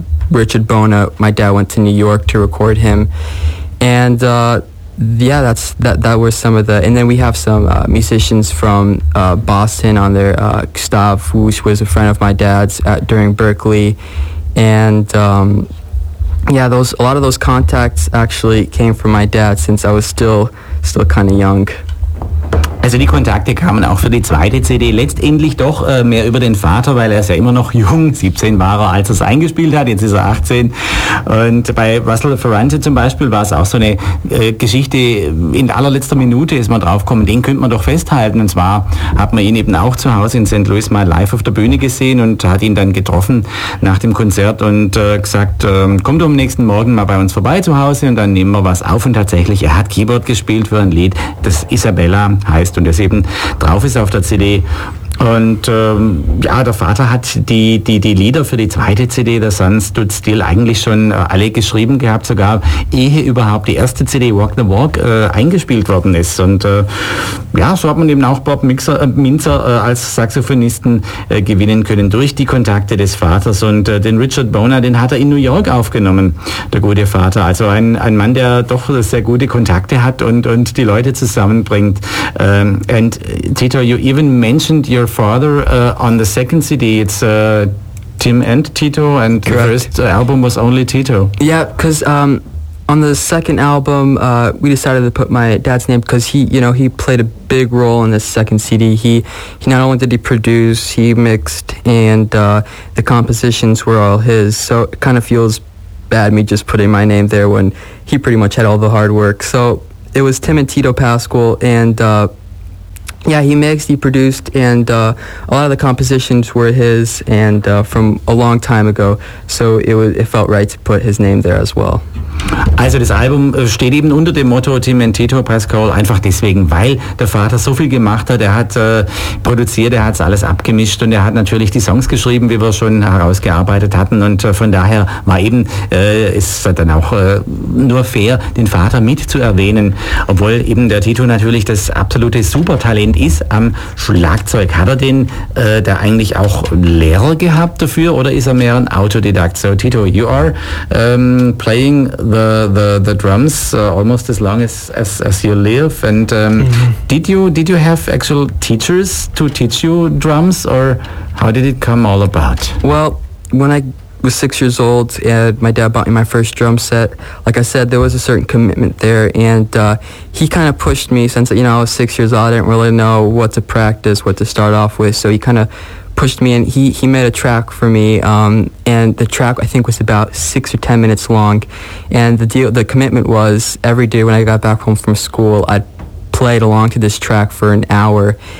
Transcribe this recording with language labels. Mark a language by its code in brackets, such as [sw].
[en] Richard Bona, my dad went to New York to record him, and that were some of the, and then we have some musicians from Boston on there, Gustav, who was a friend of my dad's during Berkeley, and a lot of those contacts actually came from my dad, since I was still kind of young. [de] Also die Kontakte kamen auch für die zweite CD letztendlich doch mehr über den Vater, weil er ist ja immer noch jung, 17 war er, als er es eingespielt hat, jetzt ist er 18. Und bei Russell Ferrante zum Beispiel war es auch so eine Geschichte, in allerletzter Minute ist man draufgekommen, den könnte man doch festhalten. Und zwar hat man ihn eben auch zu Hause in St. Louis mal live auf der Bühne gesehen und hat ihn dann getroffen nach dem Konzert und gesagt, komm doch am nächsten Morgen mal bei uns vorbei zu Hause und dann nehmen wir was auf. Und tatsächlich, er hat Keyboard gespielt für ein Lied, das Isabella heißt. Und das eben drauf ist auf der CD. Und der Vater hat die Lieder für die zweite CD, The Sun Stood Still, eigentlich schon alle geschrieben gehabt, sogar ehe überhaupt die erste CD Walk the Walk eingespielt worden ist. Und so hat man eben auch Bob Minzer als Saxophonisten gewinnen können durch die Kontakte des Vaters. Und den Richard Bona, den hat er in New York aufgenommen, der gute Vater. Also ein Mann, der doch sehr gute Kontakte hat und die Leute zusammenbringt. [en] And Tito, you even mentioned your father on the second CD, it's Tim and Tito, and correct. The first album was only Tito. Yeah, because on the second album we decided to put my dad's name, because he played a big role in the second CD. He not only did he produce, he mixed, and the compositions were all his, so it kind of feels bad me just putting my name there when he pretty much had all the hard work. So it was Tim and Tito Pascal, and Yeah, he mixed, he produced, and a lot of the compositions were his, and from a long time ago, so it felt right to put his name there as well. [de] Also das Album steht eben unter dem Motto Dementator Pascal, einfach deswegen, weil der Vater so viel gemacht hat, er hat produziert, er hat es alles abgemischt und er hat natürlich die Songs geschrieben, wie wir schon herausgearbeitet hatten und von daher war eben, ist dann auch nur fair, den Vater mit zu erwähnen, obwohl eben der Tito natürlich das absolute Supertalent ist am Schlagzeug. Hat er den da eigentlich auch Lehrer gehabt dafür oder ist er mehr ein Autodidakt? [en] So Tito, you are playing the drums almost as long as you live, and did you have actual teachers to teach you drums, or how did it come all about? Well, when I was 6 years old and my dad bought me my first drum set, like I said, there was a certain commitment there, and he kind of pushed me, since, you know, I was 6 years old, I didn't really know what to practice, what to start off with, so he kind of pushed me, and he made a track for me, and the track I think was about 6 or 10 minutes long, and the commitment was every day when I got back home from school I'd play along to this track for an hour.